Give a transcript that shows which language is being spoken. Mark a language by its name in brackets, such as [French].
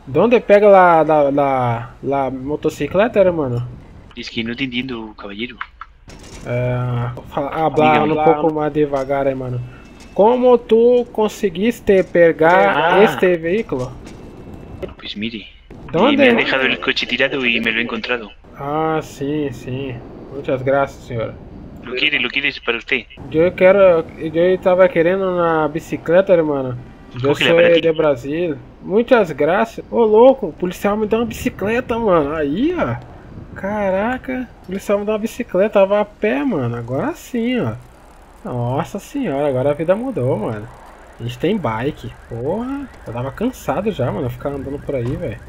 [Spanish] Donde pega la motocicleta, irmão? [Portuguese] Isso que não entendendo, cavalheiro. Falar um pouco mais devagar, hein, mano. Como tu conseguiste pegar este veículo? [Spanish] Pues mire, ¿dónde? Me han dejado el coche tirado y me lo he encontrado. Ah, sim. Muchas gracias, señora. ¿Lo quieres para usted? Yo estaba queriendo una bicicleta, hermano. Yo soy de Brasil. Muchas gracias. [Portuguese] Oh, louco, o policial me deu uma bicicleta, mano. Aí, ó. Caraca, o policial me deu uma bicicleta, tava a pé, mano. Agora sim, ó. Nossa senhora, agora a vida mudou, mano. A gente tem bike. Porra, eu tava cansado já, mano, ficar andando por aí, velho.